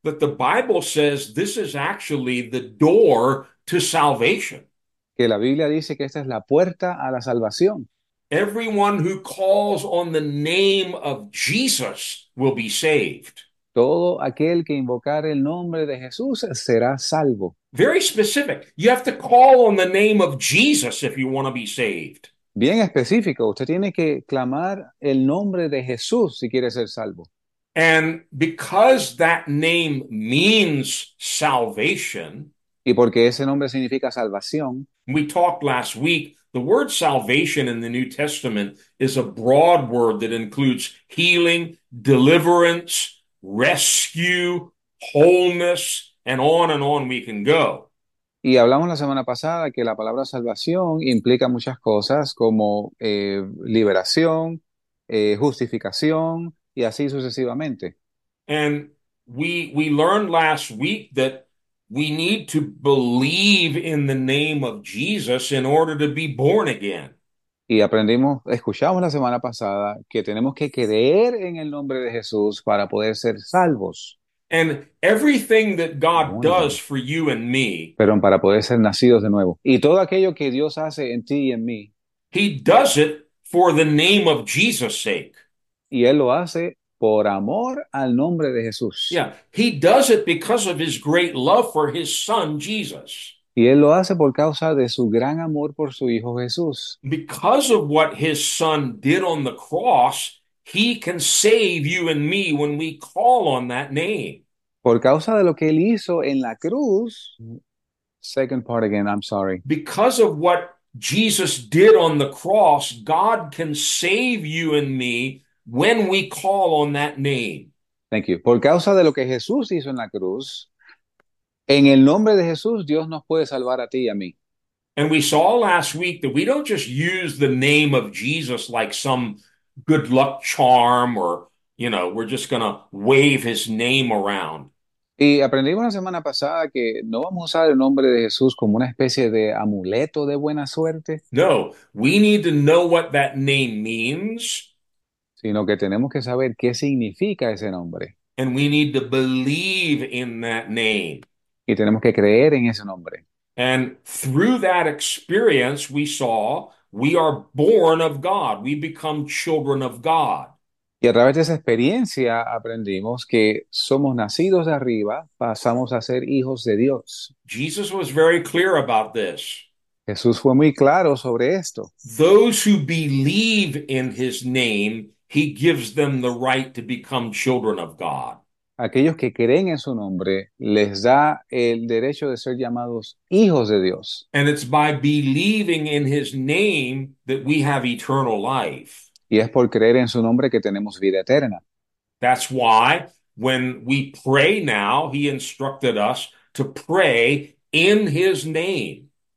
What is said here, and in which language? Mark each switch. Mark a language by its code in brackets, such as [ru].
[en] that the Bible says this is actually the door to salvation. [es] Que la Biblia dice que esta es la puerta a la salvación. [en] Everyone who calls on the name of Jesus will be saved. [es] Todo aquel que invocar el nombre de Jesús será salvo. [en] Very specific. You have to call on the name of Jesus if you want to be saved. [es] Bien específico, usted tiene que clamar el nombre de Jesús si quiere ser salvo. [en] And because that name means salvation, [es] Y porque ese nombre significa salvación. [en] we talked last week, the word salvation in the New Testament is a broad word that includes healing, deliverance, rescue, wholeness, and on we can go. [es] Y hablamos la semana pasada que la palabra salvación implica muchas cosas como liberación, justificación y así sucesivamente. [en] And we learned last week that we need to believe in the name of Jesus in order to be born again. [es] Y escuchamos la semana pasada que tenemos que creer en el nombre de Jesús para poder ser salvos. [en] And everything that God Born does again. for you and me, [es] Perdón, para poder ser nacidos de nuevo. Y todo aquello que Dios hace en ti y en mí. [en] He does it for the name of Jesus' sake. [es] Y Él lo hace por amor al nombre de Jesús. [en] Yeah, he does it because of his great love for his son Jesus. [es] Y Él lo hace por causa de su gran amor por su Hijo Jesús. [en] Because of what his son did on the cross, he can save you and me when we call on that name. [es] Por causa de lo que Él hizo en la cruz. [en] Second part again, I'm sorry. Because of what Jesus did on the cross, God can save you and me when we call on that name. Thank you. [es] Por causa de lo que Jesús hizo en la cruz, en el nombre de Jesús, Dios nos puede salvar a ti y a mí. [en] And we saw last week that we don't just use the name of Jesus like some good luck charm or, we're just gonna wave his name around. [es] Y aprendimos la semana pasada que no vamos a usar el nombre de Jesús como una especie de amuleto de buena suerte, [en] No, we need to know what that name means. [es] sino que tenemos que saber qué significa ese nombre. [en] And we need to believe in that name. [es] Y tenemos que creer en ese nombre. [en] And through that experience, we saw we are born of God. We become children of God. [es] Y a través de esa experiencia aprendimos que somos nacidos de arriba, pasamos a ser hijos de Dios. [en] Jesus was very clear about this. [es] Jesús fue muy claro sobre esto. [en] Those who believe in his name, he gives them the right to become children of God. [es] Aquellos que creen en su nombre les da el derecho de ser llamados hijos de Dios. [en] And it's by believing in his name that we have eternal life. [es] Y es por creer en su nombre que tenemos vida eterna. [en] That's why when we pray now, he instructed us to pray in his name.